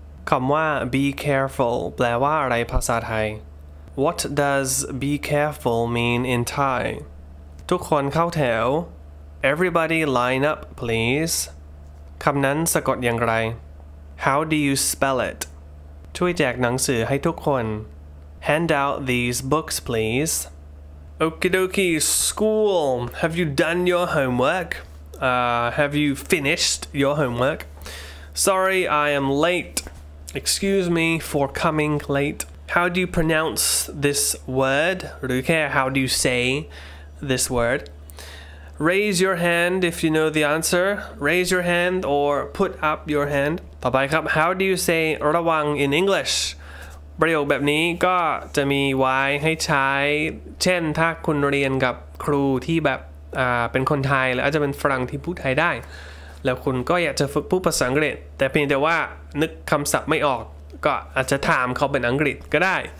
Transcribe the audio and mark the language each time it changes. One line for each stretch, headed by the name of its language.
Thai: คำว่า be careful แปลว่าอะไรภาษาไทย
English: What does be careful mean in Thai?
Thai: ทุกคนเข้าแถว
English: Everybody line up please.
Thai: คำนั้นสะกดอย่างไร
English: How do you spell it?
Thai: ช่วยแจกหนังสือให้ทุกคน
English: Hand out these books, please. Okie dokie, school. Have you done your homework? Have you finished your homework? Sorry, I am late. Excuse me for coming late. How do you pronounce this word? How do you say this word? Raise your hand if you know the answer. Raise your hand or put up your hand. How do you say ระวัง in English?
Thai: ประโยคแบบนี้ก็จะมีไว้ให้ใช้เช่นถ้าคุณเรียนกับครูที่แบบเป็นคนไทยหรืออาจจะเป็นฝรั่งที่พูดไทยได้แล้วคุณก็อยากจะฝึกพูดภาษาอังกฤษแต่เพียงแต่ว่านึกคำศัพท์ไม่ออกก็อาจจะถามเขาเป็นอังกฤษก็ได้